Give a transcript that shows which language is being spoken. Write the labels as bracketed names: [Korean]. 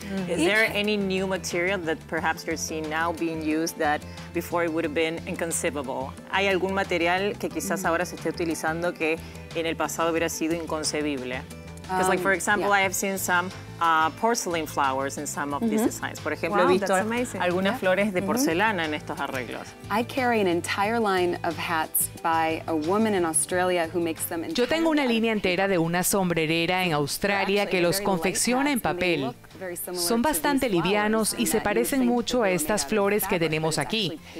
[English] Is there any new material that perhaps you're seeing now being used that before it would have been inconceivable? [Spanish] ¿Hay algún material que quizás ahora se esté utilizando que en el pasado hubiera sido inconcebible? [English] Because like for example, I have seen some porcelain flowers in some of these designs. [Spanish] Por ejemplo, wow, he visto algunas flores de porcelana en estos arreglos. [English] I carry an entire line of hats by a woman in Australia who makes them. [Spanish] Yo tengo una línea entera de una sombrerera en Australia que los confecciona en papel. Son bastante livianos y se parecen mucho a estas flores que tenemos aquí.